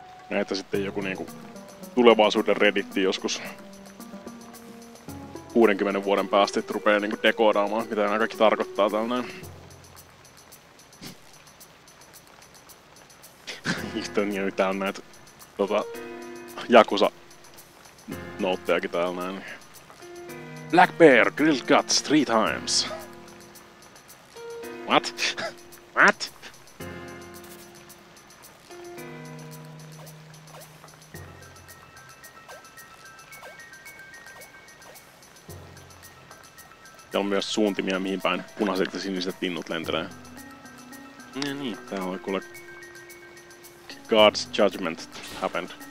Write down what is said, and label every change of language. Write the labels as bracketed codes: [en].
[fi] Näitä sitten joku niinku tulevaisuuden redditti joskus 60 vuoden päästä rupeaa niinku dekoodaamaan, mitä nämä kaikki tarkoittaa tällainen. Sitten on jotain näitä Yakuza-noutteakin täällä näin. [en] Black bear, grilled guts, 3 times. What? What? [fi] Täällä on myös suuntimia, mihin päin punaiset ja siniset linnut lentelee. Ja niin, täällä on kuule... [en] God's judgment happened.